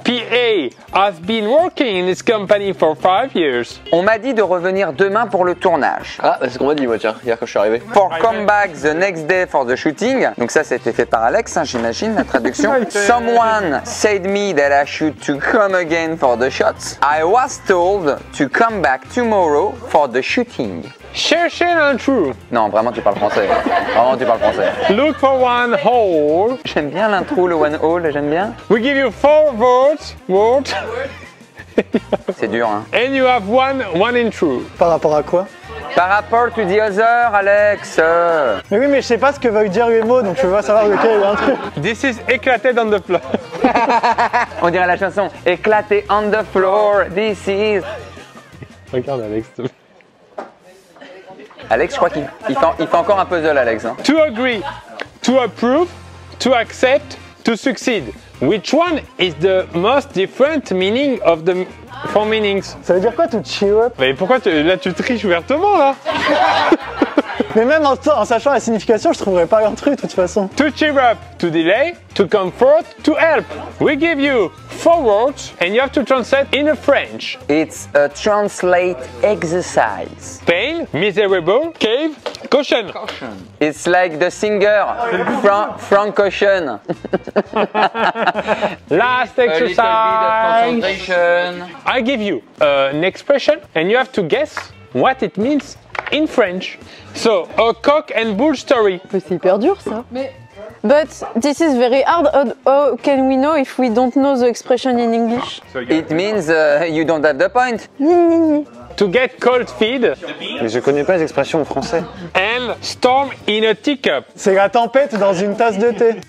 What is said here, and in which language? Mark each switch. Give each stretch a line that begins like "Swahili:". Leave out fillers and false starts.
English: PA has been working in this company for 5 years.
French: On m'a dit de revenir demain pour le tournage. Ah, c'est ce qu'on m'a dit, moi, tiens, hier quand je suis arrivé.
English: For come back the next day for the shooting.
French: Donc ça, c'était fait par Alex, hein, j'imagine, la traduction.
English: Someone said me that I should to come again for the shots. I was told to come back tomorrow for the shooting.
French: Cherchez un trou. Non, vraiment, tu parles français. Vraiment, tu parles français.
English: Look for one hole.
French: J'aime bien l'intro, le
English: one hole,
French: j'aime bien.
English: We give you 4 votes. What?
French: C'est dur, hein.
English: And you have one in true.
French: Par rapport à quoi? Par rapport
English: to the other, Alex.
French: Mais oui, mais je sais pas ce que veut dire les mots, donc je veux pas savoir lequel est l'intro.
English: This is éclaté on the floor.
French: On dirait la chanson. Éclaté
English: on the floor, this is...
French: Regarde, Alex, s'il te plaît. Alex, je crois qu'il fait encore un puzzle, Alex. Hein.
English: To agree, to approve, to accept, to succeed. Which one is the most different meaning of the 4 meanings?
French: Ça veut dire quoi,
English: to cheer up?
French: Mais pourquoi tu triches ouvertement, là? Mais même en sachant la signification, je trouverais pas un truc, de toute façon.
English: To cheer up, to delay, to comfort, to help. We give you 4 words and you have to translate in French. It's a translate exercise. Pain, miserable, cave, caution. It's like the singer Frank Ocean. Last exercise. A little bit of concentration. I give you an expression and you have to guess what it means in French. So, a cock and bull story.
French: C'est hyper dur, ça.
English: But this is very hard. How can we know if we don't know the expression in English? It means you don't have the point. to get cold feet.
French: Mais je connais pas les expressions en français.
English: And storm in a teacup.
French: C'est la tempête dans une tasse de thé.